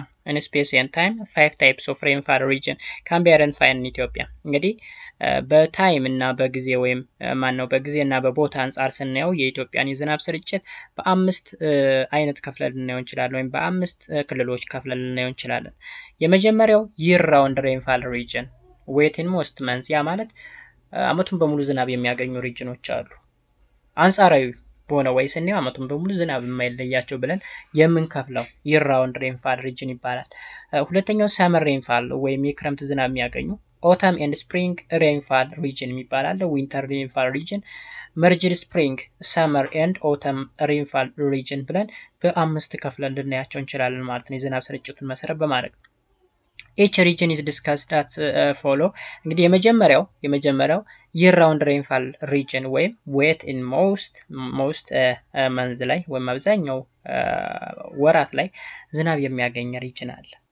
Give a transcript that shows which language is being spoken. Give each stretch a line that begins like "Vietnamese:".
English: in space and time five types of rainfall region can be identified in Ethiopia
Amharic: እንግዲህ በታይም እና በጊዜ ወይም ማን ነው በጊዜ እና በቦታ አንጻር ስናየው የኢትዮጵያን የዝናብ ስርጭት በአምስት አይነት ከፍለን ነው እንችላለን ወይም በአምስት ክልሎች ከፍለን ነው እንችላለን የመጀመሪያው
English: year round rainfall region wet in most months
Amharic: ያ ማለት አመቱን በሙሉ ዝናብ የሚያገኙ ሪጅኖች አሉ አንጻራዊ በሆነ ወይ ስናየው አመቱን በሙሉ ዝናብ የማይለያቸው ብለን የምንከፍለው
English: year round rainfall region
Amharic: ይባላል ሁለተኛው summer rainfall ወይም የክረምት ዝናብ የሚያገኙ
English: autumn and spring rainfall region
Amharic: የሚባል አለ
English: winter rainfall region merged spring, summer and autumn rainfall region
Amharic: ብለን በአምስት ከፍለን ልናያቸው እንችላለን ማለት ነው የዝናብ ስርጭቱን መሰረት በማድረግ
English: Each region is discussed as follow.
Amharic: እንግዲህ የመጀመሪያው
English: year round rainfall region
Amharic: ወይም
English: wet in most months
Amharic: ላይ ወይም አብዛኛው ወራት ላይ ዝናብ የሚያገኝ region አለ.